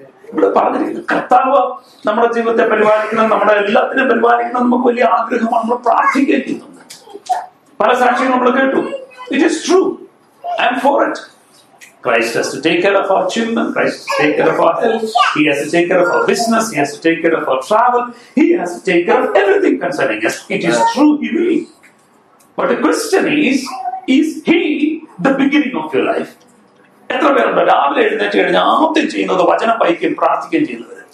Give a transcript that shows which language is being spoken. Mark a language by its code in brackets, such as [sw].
[ml] ഇവിടെ പറഞ്ഞിരിക്കുന്നു കർത്താവ് നമ്മുടെ ജീവിതത്തെ പരിപാലിക്കണം, നമ്മുടെ എല്ലാത്തിനും പരിപാലിക്കണം. നമുക്ക് വലിയ ആഗ്രഹമാണ്, നമ്മൾ പ്രാർത്ഥിക്കുന്നുണ്ട്. പല സാക്ഷ്യങ്ങളും നമ്മൾ കേട്ടു. [en] It is true. I am for it. Christ has to take care of our children. Christ has to take care of our health. He has to take care of our business. He has to take care of our travel. He has to take care of everything concerning us. It is true, he will. But the question is he the beginning of your life? [ml] എത്ര പേരുണ്ട് രാവിലെ എഴുന്നേറ്റ് കഴിഞ്ഞാൽ ആദ്യം ചെയ്യുന്നത് വചനം വായിക്കുകയും പ്രാർത്ഥിക്കുകയും ചെയ്യുന്നത്?